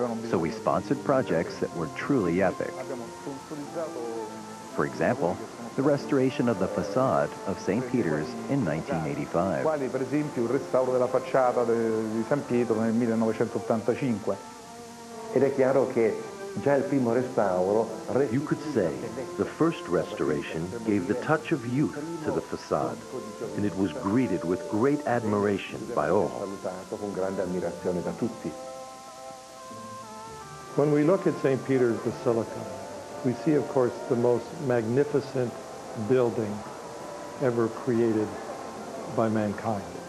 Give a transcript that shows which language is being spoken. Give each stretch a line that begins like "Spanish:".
English: So we sponsored projects that were truly epic. For example, the restoration of the facade of St. Peter's in 1985.
Italian: Quali, per esempio, il restauro della facciata di San Pietro nel 1985. Ed è chiaro che già il primo restauro.
English: You could say the first restoration gave the touch of youth to the facade, and it was greeted with great admiration by all.
Italian: Con grande ammirazione da tutti.
English: When we look at St. Peter's Basilica, we see, of course, the most magnificent building ever created by mankind.